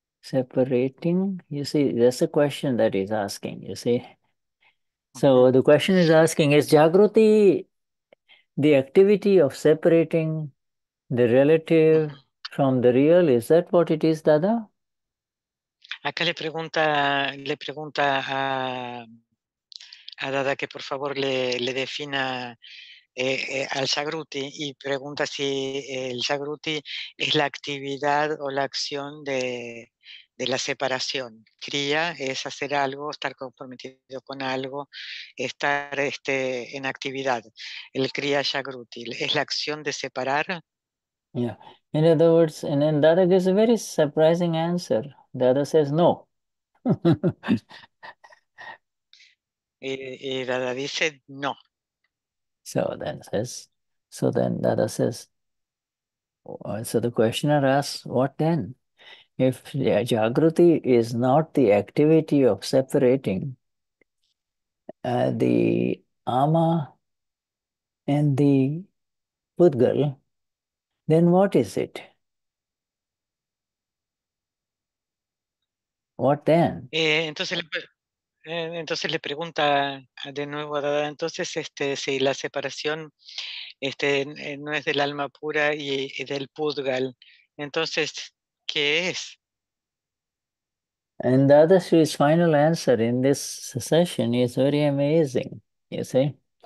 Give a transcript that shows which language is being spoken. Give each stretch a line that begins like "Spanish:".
English: You see, that's the question that he's asking, you see. So the question is asking, is Jagruti the activity of separating the relative from the real? Is that what it is, Dada?
Spanish: Acá le pregunta a Dada que por favor le defina al Jagruti, y pregunta si el Jagruti es la actividad o la acción de la separación. Kriya es hacer algo, estar comprometido con algo, estar en actividad. El Kriya Jagruti es la acción de separar.
English: Yeah, in other words, and then Dada gives a very surprising answer. Dada says no.
Spanish: y Dada dice no.
English: So then Dada says, so the questioner asks, what then? If Jagruti is not the activity of separating the Ama and the Pudgal, then what is it? What then?
Spanish: Entonces le pregunta de nuevo a Dada, entonces si la separación no es del alma pura y del pudgal, entonces, ¿qué es?
English: And Dadashri's final answer in this session is very amazing, you see?